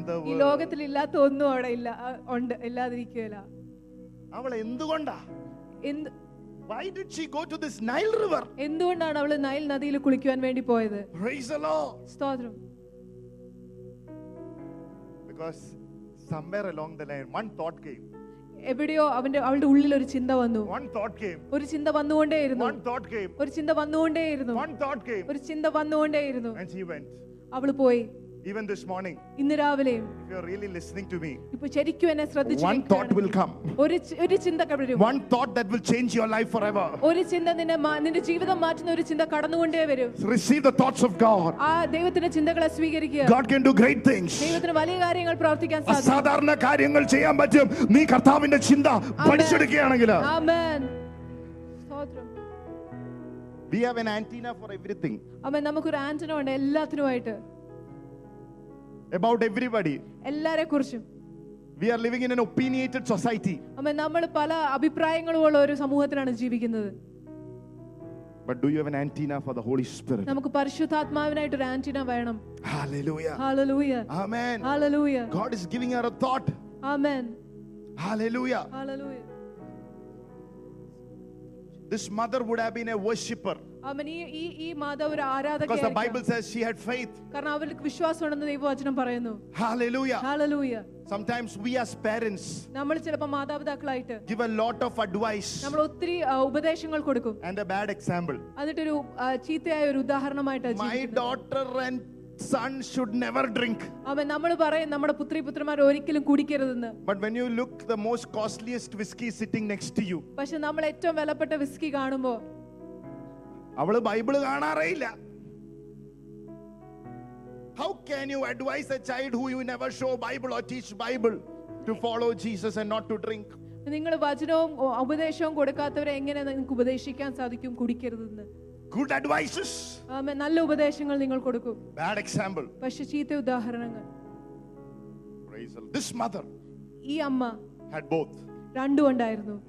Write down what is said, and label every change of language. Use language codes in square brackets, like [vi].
[ml] ഈ ലോകത്തിൽ ഇല്ലാത്ത ഒന്നും അവിടെ ഇല്ല ഉണ്ട് ഇല്ലാതിരിക്കുകയില്ല. അവൾ എന്തുകൊണ്ടാ എന്ത് [en] Why did she go to this Nile river? [ml] എന്തുകൊണ്ടാണ് അവൾ നൈൽ നദിയിൽ കുളിക്കാൻ വേണ്ടി പോയത്? [en] Praise the Lord. [ml] സ്തോത്രം. [en] Because somewhere along the line one thought came. [ml] എവിടെയോ അവന്റെ അവളുടെ ഉള്ളിൽ ഒരു ചിന്ത വന്നു. ഒരു ചിന്ത വന്നുകൊണ്ടേയിരുന്നു. ഒരു ചിന്ത വന്നുകൊണ്ടേയിരുന്നു. ഒരു ചിന്ത വന്നുകൊണ്ടേയിരുന്നു. അവള് പോയി. [en] Even this morning, [ml] ഇന്ന് രാവിലെ, [en] if you are really listening to me, [ml] ഇപ്പൊ ശരിക്കും എന്നെ ശ്രദ്ധിച്ച്, [en] one thought will come. [ml] ഒരു ചിന്ത കടരും. [en] One thought that will change your life forever. [ml] ഒരു ചിന്ത നിന്റെ ജീവിതം മാറ്റുന്ന ഒരു ചിന്ത കടന്നുകൊണ്ടേ വരും. [en] Receive the thoughts of God. [ml] ആ ദൈവത്തിന്റെ ചിന്തകളെ സ്വീകരിക്കുക. [en] God can do great things. [ml] ദൈവത്തിന് വലിയ കാര്യങ്ങൾ പ്രവർത്തിക്കാൻ സാധിക്കും. അസാധാരണ കാര്യങ്ങൾ ചെയ്യാൻ പറ്റും. നീ കർത്താവിന്റെ ചിന്ത പഠിച്ചെടുക്കുകയാണെങ്കിൽ. Amen. സ്തോത്രം. [en] We have an antenna for everything. [ml] അമ്മേ നമുക്ക് ഒരു ആന്റിന ഉണ്ട് എല്ലാത്തിനുമായിട്ട്. [en] About everybody. [ml] എല്ലാരെ കുറിച്ചും. [en] We are living in an opinionated society. [ml] അമ്മേ നമ്മൾ പല അഭിപ്രായങ്ങളുള്ള ഒരു സമൂഹത്തിലാണ് ജീവിക്കുന്നത്. [en] But do you have an antenna for the Holy Spirit? [ml] നമുക്ക് പരിശുദ്ധാത്മാവിനായിട്ട് ഒരു ആന്റിന വേണം. [en] Hallelujah. Hallelujah. Amen. Hallelujah. God is giving her a thought. Amen. Hallelujah. Hallelujah. This mother would have been a worshipper. [ml] അമ്മ ഈ മാതാവ് ഒരു ആരാധകയായിരുന്നു. [en] Because the Bible says she had faith. [ml] കാരണം അവൾക്ക് വിശ്വാസം ഉണ്ടെന്ന് ദൈവവചനം പറയുന്നു. [en] Hallelujah. Hallelujah. Sometimes we as parents. [ml] നമ്മൾ ചിലപ്പോൾ മാതാപിതാക്കളായിട്ട് [en] give a lot of advice. [ml] നമ്മൾ ഒത്തിരി ഉപദേശങ്ങൾ കൊടുക്കും. [en] And a bad example. [ml] അതിട്ട് ഒരു ചീത്തയായ ഒരു ഉദാഹരണമായിട്ട് ജീവിക്കുന്നു. [en] My daughter and son should never drink. [ml] അമ്മ നമ്മൾ പറയും നമ്മുടെ പുത്രി പുത്രന്മാർ ഒരിക്കലും കുടിക്കരുതെന്ന്. [en] But when you look the most costliest whiskey sitting next to you. [ml] പക്ഷേ നമ്മൾ ഏറ്റവും വിലപ്പെട്ട വിസ്കി കാണുമ്പോൾ അവള് Bible കാണാറേയില്ല. [en] How can you advise a child who you never show Bible or teach Bible to follow Jesus and not to drink? [ml] നിങ്ങൾ വചനവും ഉപദേശവും കൊടുക്കാത്തവരെ എങ്ങനെ നിങ്ങൾക്ക് ഉപദേശിക്കാൻ സാധിക്കും കുടിക്കരുതെന്ന്? [en] Good advices. [ml] ആമേൻ. നല്ല ഉപദേശങ്ങൾ നിങ്ങൾ കൊടുക്കും. [en] Bad example. [ml] പക്ഷേ ചീത്ത ഉദാഹരണങ്ങൾ. [en] Praise the This mother. [ml] ഈ അമ്മ [en] had both. [ml] രണ്ടും ഉണ്ടായിരുന്നു.